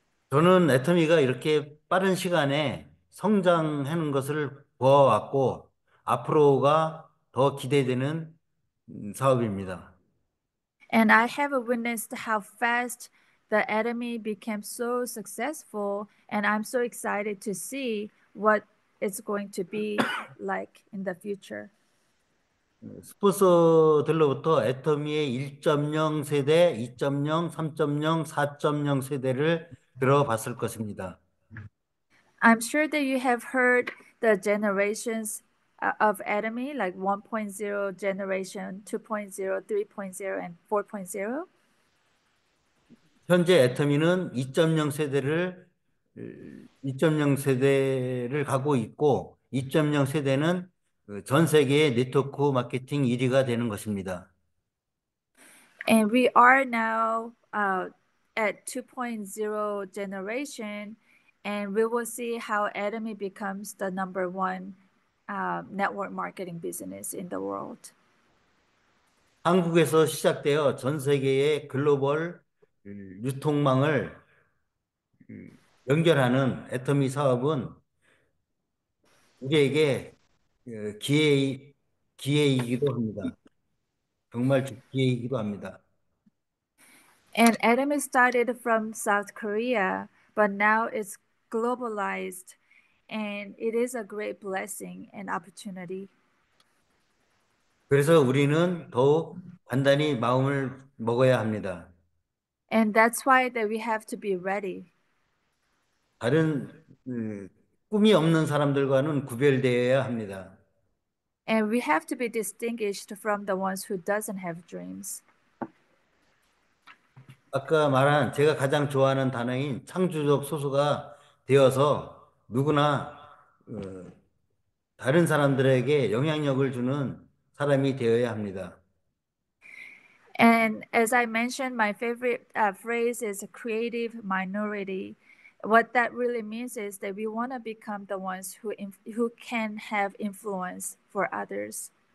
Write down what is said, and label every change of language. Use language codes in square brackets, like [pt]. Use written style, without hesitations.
[ko] 저는 애터미가 이렇게 빠른 시간에 성장하는 것을 보아왔고, 앞으로가 더 기대되는 사업입니다. [en] And I have witnessed how fast the Atomy became so successful, and I'm so excited to see what it's going to be like in the future. [ko] 스폰서들로부터 애터미의 1.0 세대, 2.0, 3.0, 4.0 세대를 들어봤을 것입니다. [en] I'm sure that you have heard the generations of Atomy, like 1.0 generation, 2.0, 3.0, and 4.0. [ko] 현재 애터미는 2.0 세대를 가고 있고, 2.0 세대는 전 세계의 네트워크 마케팅 1위가 되는 것입니다. [en] And we are now at 2.0 generation, and we will see how Atomy becomes the number one network marketing business in the world. [ko] 한국에서 시작되어 전 세계의 글로벌 유통망을 연결하는 애터미 사업은 우리에게 기회이기도 합니다. 정말 기회이기도 합니다. [en] And Atomy started from South Korea, but now it's globalized, and it is a great blessing and opportunity. [ko] 그래서 우리는 더욱 단단히 마음을 먹어야 합니다. [en] And that's why that we have to be ready. [ko] 다른 꿈이 없는 사람들과는 구별되어야 합니다. [en] And we have to be distinguished from the ones who doesn't have dreams. [ko] 아까 말한 제가 가장 좋아하는 단어인 창조적 소수가 되어서 누구나 다른 사람들에게 영향력을 주는 사람이 되어야 합니다. [en] And as I mentioned, my favorite phrase is creative minority. What that really means is that we want to become the ones who can have influence for others.